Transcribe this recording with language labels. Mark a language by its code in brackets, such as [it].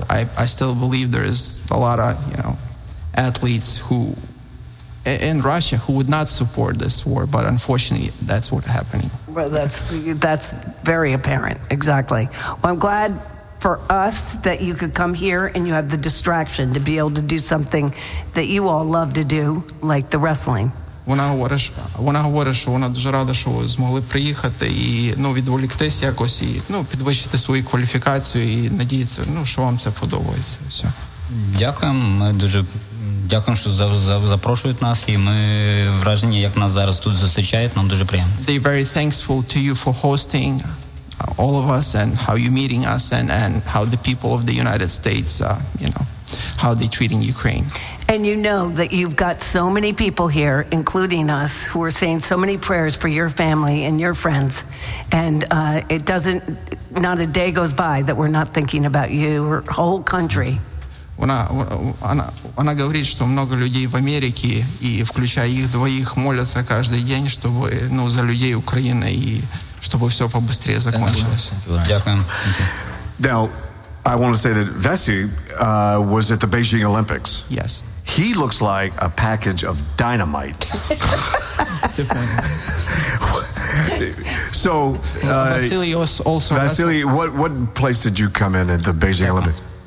[en] I still believe there is a lot of, you know, athletes who, in Russia, who would not support this war, but unfortunately, that's what's happening. Well, that's very apparent, exactly. Well, I'm glad for us that you could come here and you have the distraction to be able to do something that you all love to do, like the wrestling. [uk] Вона говорить, що вона дуже рада, що змогли приїхати і, ну, відволіктись якось і, ну, підвищити свою кваліфікацію і надіється, ну, що вам це подобається. Все. Дякуємо. Ми дуже дякуємо, що запрошують нас, і ми вражені, як нас зараз тут зустрічають, нам дуже приємно. [en] They very thankful to you for hosting all of us and how you meeting us and how the people of the United States you know, how they treating Ukraine. And you know that you've got so many people here, including us, who are saying so many prayers for your family and your friends. And it doesn't, not a day goes by that we're not thinking about you or whole country. [uk] Вона говорить, що много людей в Америці, і включає їх двоїх, моляться кожен день, щоб, ну, за людей України і щоб все [ru] побыстрее закончилось. [en] Now, I want to say that Vessi was at the Beijing Olympics. Yes. He looks like a package of dynamite. So, Vasily, what place did you come in at the Beijing Olympics?